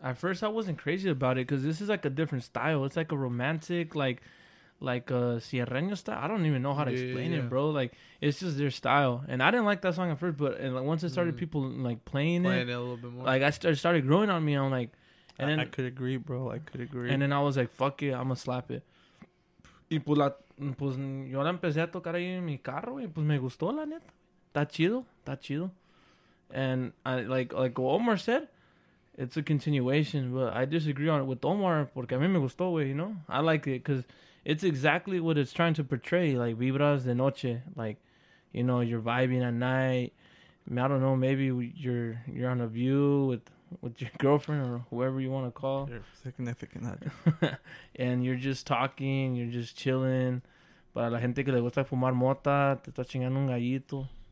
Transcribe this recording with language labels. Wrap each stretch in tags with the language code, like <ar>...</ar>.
<en>At first, I wasn't crazy about it because this is like a different style. It's like a romantic, like a Sierreño style. I don't even know how to explain it, bro. Like, it's just their style. And I didn't like that song at first, but and like, once it started people like playing it a little bit more. Like, it started growing on me. I'm like, and then I could agree, bro. I could agree. And then I was like, fuck it, I'm gonna slap it.</en> <es>Y pues la. Pues yo la empecé a tocar ahí en mi carro y pues me gustó, la neta. Está chido.</es> <en>And I like what Omar said, it's a continuation, but I disagree on it with Omar</en> <es>porque a mí me gustó, güey,</es> <en>you know? I like it because it's exactly what it's trying to portray, like</en> <es>vibras de noche,</es> <en>like, you know, you're vibing at night. I mean, I don't know, maybe you're on a view with your girlfriend or whoever you want to call. Your significant other. And you're just talking, you're just chilling.</en> <es>Para la gente que le gusta fumar mota, te está chingando un gallito.</es>